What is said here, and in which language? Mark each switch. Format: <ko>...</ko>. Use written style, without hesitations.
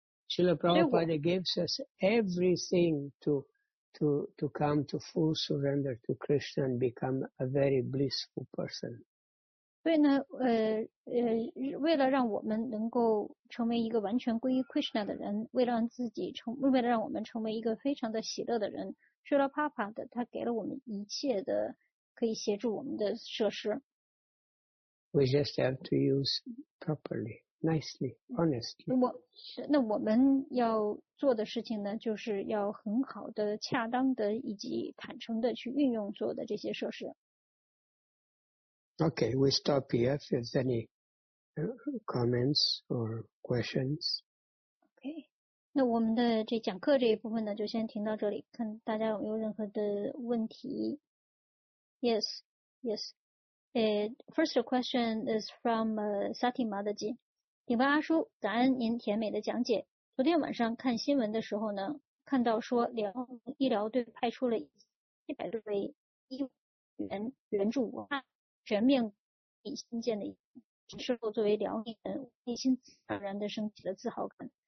<en>Srila Prabhupada gives us everything to come to full surrender to Krishna and become a very blissful person.</en> <zh>所以呢，为了让我们能够成为一个完全皈依 Krishna 的人，为了让我们成为一个非常的喜乐的人，Srila Prabhupada他给了我们一切的可以协助我们的设施。</zh> <en>We just have to use properly, nicely, honestly.</en> <zh>那我们要做的事情呢，就是要很好的、恰当的以及坦诚的去运用所有的这些设施。</zh> <en>Okay, we stop here. If there's any comments or questions.</en> <zh>Okay, 那我们的这讲课这一部分呢，就先停到这里，看大家有没有任何的问题。</zh> <en>Yes, yes. First question is from Sati Madaji.</en> <zh>顶巴阿叔，感恩您甜美的讲解。昨天晚上看新闻的时候呢，看到说医疗队派出了100多位医员援助武汉，全面新建的设施，作为辽宁人，内心自然的升起了自豪感。</zh>